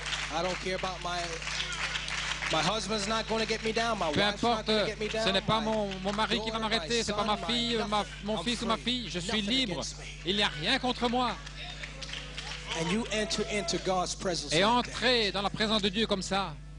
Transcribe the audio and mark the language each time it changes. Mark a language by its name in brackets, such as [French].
[English] I don't care about my husband's not going to get me down. [French] Peu importe, ce n'est pas mon mari qui va m'arrêter, c'est pas ma fille, mon fils ou ma fille. Je suis libre. Il n'y a rien contre moi. [English] And you enter into God's presence. [French] Et entrer dans la présence de Dieu comme ça.